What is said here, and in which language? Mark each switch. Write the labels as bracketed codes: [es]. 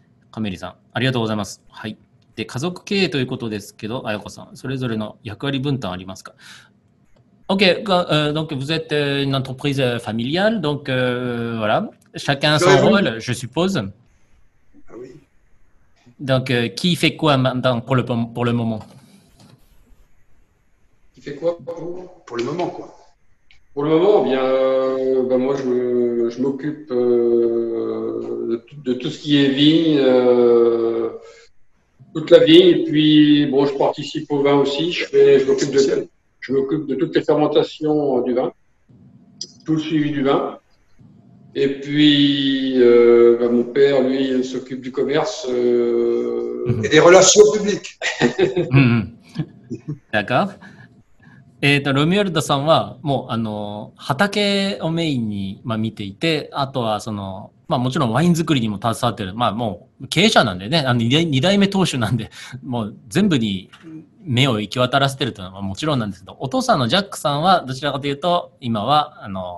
[ja] カメリさん、ありがとうございます。はい。で、家族経営ということですけど、あやこさん、それぞれの役割分担ありますか [fr] ?OK, donc, vous êtes une entreprise familiale, donc, voilà, chacun son rôle, je suppose. Ah oui. Donc, qui fait quoi maintenant pour le moment ? Qui fait quoi pour le moment, quoi ? Pour le moment, moi je m'occupe de tout ce qui est vigne, toute la vigne, et puis bon, je participe au vin aussi, je m'occupe de toutes les fermentations du vin, tout le suivi du vin. Et puis mon père, lui, il s'occupe du commerce et des relations publiques. D'accord. [ja] ロミュールドさんはもう畑をメインに、見ていて、あとはもちろんワイン作りにも携わっている、もう経営者なんでね、二代目当主なんで、もう全部に目を行き渡らせているというのはもちろんなんですけど、お父さんのジャックさんはどちらかというと、今は、